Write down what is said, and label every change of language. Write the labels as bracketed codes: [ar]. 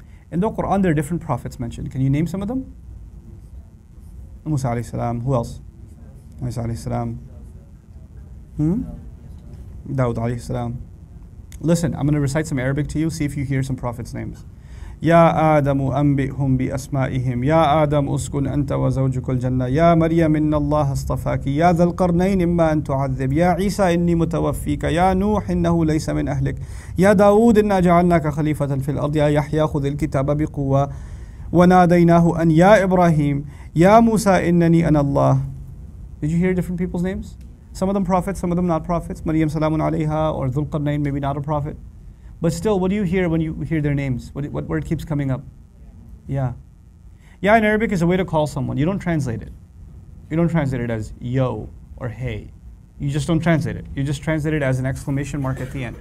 [en] In the Quran, there are different prophets mentioned. Can you name some of them? Musa alayhi salam. Who else? Isa alayhi salam. Dawud alayhi salam. Listen, I'm going to recite some Arabic to you, see if you hear some prophets' names. [ar] يا آدم أنبئهم بأسمائهم يا آدم أسكن أنت وزوجك الجنة يا مريم إن الله اصطفاك يا ذا القرنين إما أن تعذب يا عيسى إني متوفيك يا نوح إنه ليس من أهلك يا داود إنا جعلناك خليفة في الأرض يا يحيى خذ الكتاب بقوة وناديناه أن يا إبراهيم يا موسى إنني أنا الله. [en] Did you hear different people's names? Some of them prophets, some of them not prophets. [ar] مريم سلام عليها, [en] or ذو القرنين, maybe not a prophet. But still, what do you hear when you hear their names? What word keeps coming up? Yeah. Yeah, in Arabic is a way to call someone. You don't translate it. You don't translate it as yo or hey. You just don't translate it. You just translate it as an exclamation mark at the end.